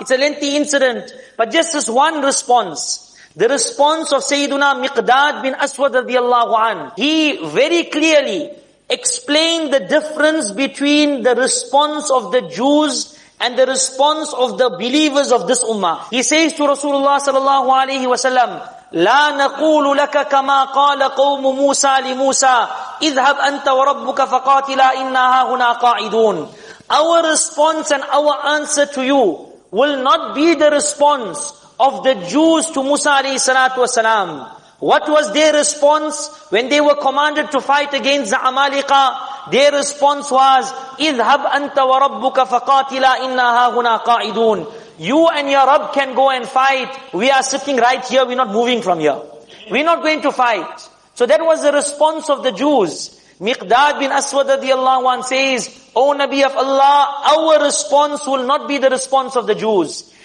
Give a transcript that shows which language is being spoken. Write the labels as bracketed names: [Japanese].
[English] It's a lengthy incident. But just this one response, the response of Sayyiduna Miqdad bin Aswad radiallahu anhu, he very clearly explained the difference between the response of the Jews and the response of the believers of this ummah. He says to Rasulullah sallallahu alaihi wasallam, [Arabic] لا نقول لك كما قال قوم موسى لموسى اذهب أنت وربك فقاتلا إنا هاهنا قاعدون. [English] Our response and our answer to you will not be the response of the Jews to Musa alayhi salatu wasalam. What was their response when they were commanded to fight against the Amalika? Their response was, [Arabic] اذهب أنت وربك فقاتلا إنا هاهنا قاعدون. [English] You and your Rabb can go and fight. We are sitting right here. We're not moving from here. We're not going to fight. So that was the response of the Jews. Miqdad bin Aswad radiallahu anhu says, O Nabi of Allah, our response will not be the response of the Jews.